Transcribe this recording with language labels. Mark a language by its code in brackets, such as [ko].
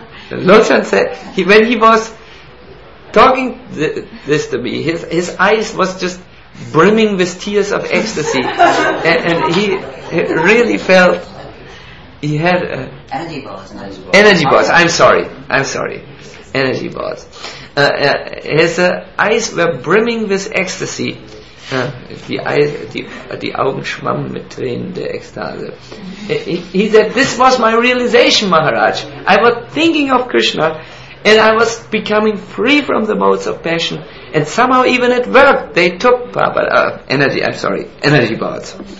[en] Lochan said, when he was talking this to me, his eyes was just brimming with tears of ecstasy. and he really felt he had energy balls. I'm sorry, energy balls. His eyes were brimming with ecstasy. [de] The Augen schwammen mit Tränen der Ekstase. [en] He said, this was my realization, Maharaj. I was thinking of Krishna, and I was becoming free from the modes of passion, and somehow even at work, they took energy balls.